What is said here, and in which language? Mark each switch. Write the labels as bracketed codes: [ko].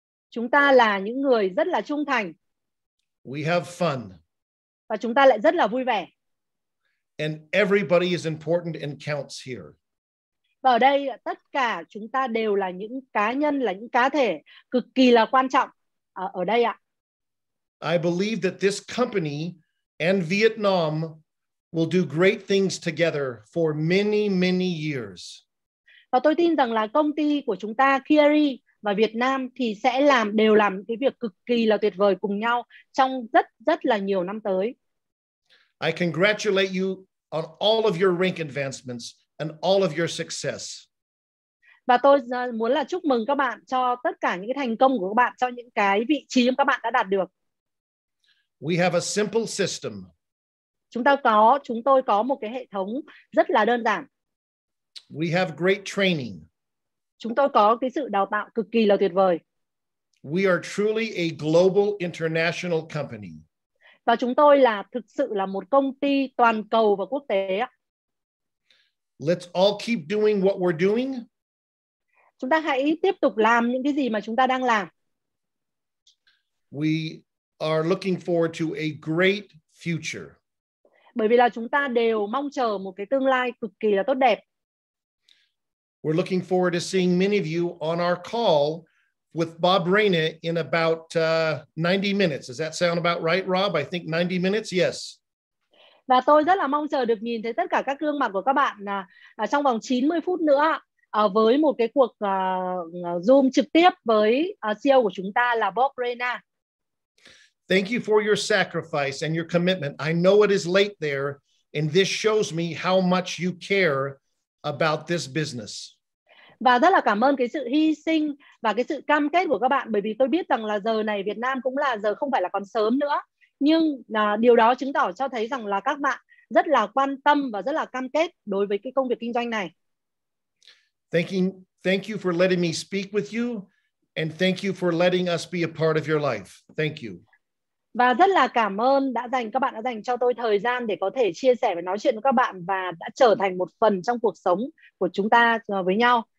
[vi] Chúng ta là những người rất là trung thành. [en] We have fun. [vi] Và chúng ta lại rất là vui vẻ. [en] And everybody is important and counts here. [vi] Và ở đây tất cả chúng ta đều là những cá nhân, là những cá thể cực kỳ là quan trọng ở đây ạ. [en] I believe that this company and Vietnam will do great things together for many, many years. [vi] Và tôi tin rằng là công ty của chúng ta, Kiari, và Việt Nam thì sẽ làm đều làm cái việc cực kỳ là tuyệt vời cùng nhau trong rất rất là nhiều năm tới. [en] I congratulate you on all of your rank advancements and all of your success. [vi] Và tôi muốn là chúc mừng các bạn cho tất cả những cái thành công của các bạn, cho những cái vị trí mà các bạn đã đạt được. [en] We have a simple system. [vi] Chúng tôi có một cái hệ thống rất là đơn giản. [en] We have great training. [vi] chúng tôi có cái sự đào tạo cực kỳ là tuyệt vời. [en] We are truly a global international company. [vi] Và chúng tôi là thực sự là một công ty toàn cầu và quốc tế. [en] Let's all keep doing what we're doing. [vi] Chúng ta hãy tiếp tục làm những cái gì mà chúng ta đang làm. [en] We are looking forward to a great future. [vi] Bởi vì là chúng ta đều mong chờ một cái tương lai cực kỳ là tốt đẹp. [en] We're looking forward to seeing many of you on our call with Bob Reyna in about 90 minutes. Does that sound about right, Rob? I think 90 minutes, yes. [vi] Và tôi rất là mong chờ được nhìn thấy tất cả các gương mặt của các bạn trong vòng 90 phút nữa với một cái cuộc Zoom trực tiếp với CEO của chúng ta là Bob Reyna. [en] Thank you for your sacrifice and your commitment. I know it is late there, and this shows me how much you care about this business. [vi] Và rất là cảm ơn cái sự hy sinh và cái sự cam kết của các bạn, bởi vì tôi biết rằng là giờ này Việt Nam cũng là giờ không phải là còn sớm nữa, nhưng điều đó chứng tỏ cho thấy rằng là các bạn rất là quan tâm và rất là cam kết đối với cái công việc kinh doanh này. [en] Thank you for letting me speak with you, and thank you for letting us be a part of your life. Thank you. [vi] Và rất là cảm ơn các bạn đã dành cho tôi thời gian để có thể chia sẻ và nói chuyện với các bạn và đã trở thành một phần trong cuộc sống của chúng ta với nhau.